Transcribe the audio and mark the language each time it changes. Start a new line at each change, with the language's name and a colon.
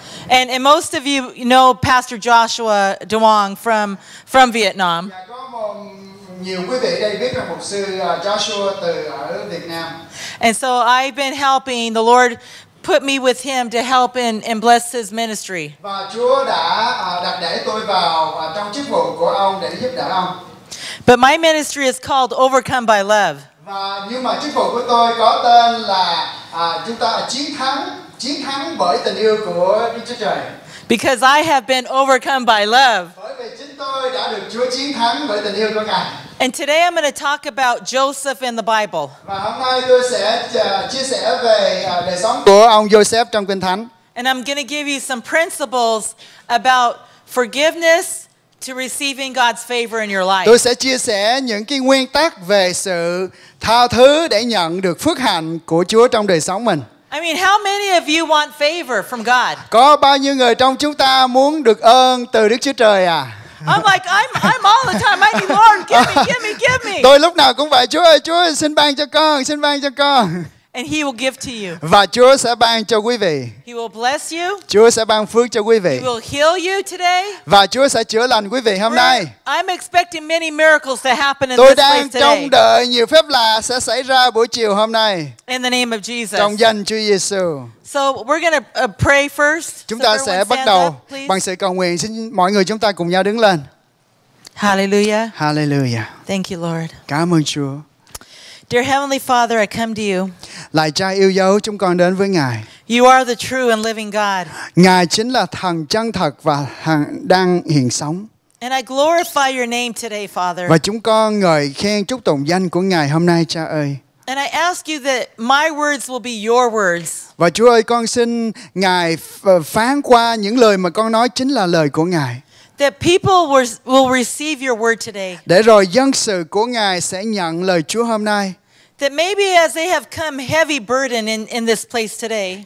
English: And most of you know Pastor Joshua Duong from Vietnam.
Vietnamese: Nhiều quý vị đây biết là mục sư Joshua từ ở Việt Nam.
English: And so I've been helping the Lord put me with him to help and bless his ministry.
Vietnamese: Và Chúa đã đặt để tôi vào trong chức vụ của ông để giúp đỡ ông.
English: But my ministry is called Overcome by Love.
Vietnamese: Và nhưng mà chức vụ của tôi có tên là chúng ta chiến thắng bởi tình yêu của Đức Chúa Trời.
English: Because I have been overcome by love.
Vietnamese: Bởi vì chính tôi đã được Chúa chiến thắng bởi tình yêu của Ngài.
English: And today I'm going to talk about Joseph in the Bible.
Vietnamese: Và hôm nay tôi sẽ chia sẻ về đời sống của ông Joseph trong Kinh Thánh.
English: And I'm going to give you some principles about forgiveness to receiving God's favor in your life.
Vietnamese: Tôi sẽ chia sẻ những cái nguyên tắc về sự tha thứ để nhận được phước hạnh của Chúa trong đời sống mình.
English: I mean, how many of you want favor from God?
Vietnamese: Có bao nhiêu người trong chúng ta muốn được ơn từ Đức Chúa Trời à?
English: I'm all the time, I need Lord, give me.
Vietnamese: Tôi lúc nào cũng vậy, Chúa ơi, xin ban cho con.
English: And he will give to you.
Vietnamese: Và Chúa sẽ ban cho quý vị.
English: He will bless you.
Vietnamese: Chúa sẽ ban phước cho quý vị.
English: He will heal you today.
Vietnamese: Và Chúa sẽ chữa lành quý vị hôm nay.
English: I'm expecting many miracles to happen in this place today.
Vietnamese: Tôi đang trông đợi nhiều phép lạ sẽ xảy ra buổi chiều hôm nay.
English: In the name of Jesus.
Vietnamese: Trong danh Chúa Giêsu.
English: So we're gonna pray first.
Vietnamese: Chúng ta sẽ bắt đầu bằng sự cầu nguyện. Xin mọi người chúng ta cùng nhau đứng lên.
English: Hallelujah. Hallelujah. Thank you, Lord.
Vietnamese: Cảm ơn Chúa.
English: Dear Heavenly Father, I come to you.
Vietnamese: Lạy Cha yêu dấu, chúng con đến với Ngài.
English: You are the true and living God.
Vietnamese: Ngài chính là thần chân thật và đang hiện sống.
English: And I glorify your name today, Father.
Vietnamese: Và chúng con ngợi khen chúc tụng danh của Ngài hôm nay, Cha ơi.
English: And I ask you that my words will be your words.
Vietnamese: Và Chúa ơi, con xin Ngài phán qua những lời mà con nói chính là lời của Ngài.
English: That people will receive your word today.
Vietnamese: Để rồi dân sự của Ngài sẽ nhận lời Chúa hôm nay.
English: That maybe as they have come heavy burden in this place today.